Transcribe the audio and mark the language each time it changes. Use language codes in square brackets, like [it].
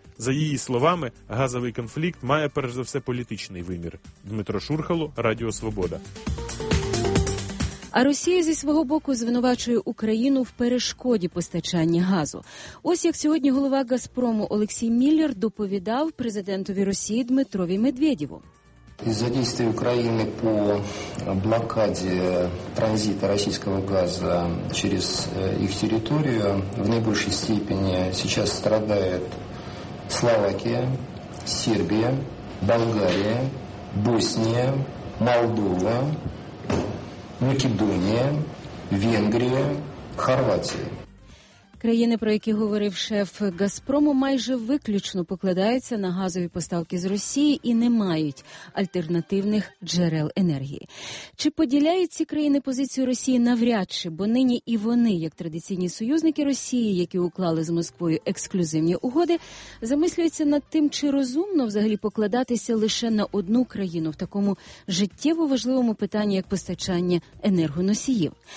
[uk] За її словами, газовий конфлікт має перш за все політичний вимір. Дмитро Шурхало, Радіо Свобода. А Росія зі свого боку звинувачує Україну в перешкоді постачання газу. Ось як сьогодні голова «Газпрому» Олексій Міллер доповідав президентові Росії Дмитрові Медведєву. [ru] Из-за действий Украины по блокаде транзита российского газа через их территорию в наибольшей степени сейчас страдает Словакия, Сербия, Болгария, Босния, Молдова, Македония, Венгрия, Хорватия. [uk] Країни, про які говорив шеф «Газпрому», майже виключно покладаються на газові поставки з Росії і не мають альтернативних джерел енергії. Чи поділяють ці країни позицію Росії? Навряд чи, бо нині і вони, як традиційні союзники Росії, які уклали з Москвою ексклюзивні угоди, замислюються над тим, чи розумно взагалі покладатися лише на одну країну в такому життєво важливому питанні, як постачання енергоносіїв.